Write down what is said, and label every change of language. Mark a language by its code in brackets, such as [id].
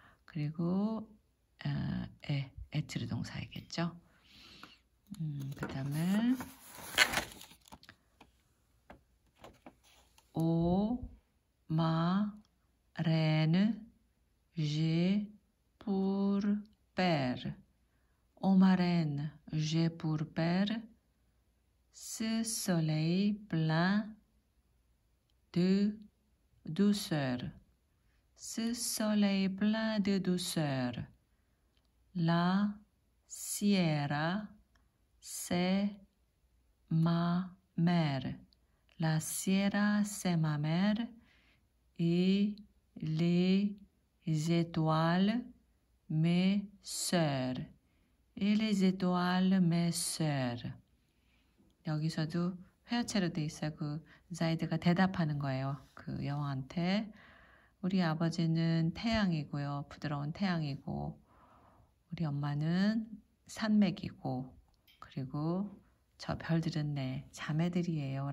[ko] 그리고 에, 에트르 동사이겠죠. 그 다음에 오, 마, 레는 제, 푸르, 페르. [fr] 오마렌, j'ai pour père ce soleil plein de douceur. Ce soleil plein de douceur. La sierra, c'est ma mère. La sierra, c'est ma mère. Et les étoiles, mes sœurs. Et les étoiles, mes sœurs. [ko] 여기서도 회화체로 돼 있어요. 그 자이드가 대답하는 거예요. 그 여왕한테. 우리 아버지는 태양이고요. 부드러운 태양이고. 우리 엄마는 산맥이고. 그리고 저 별들은 내 자매들이에요.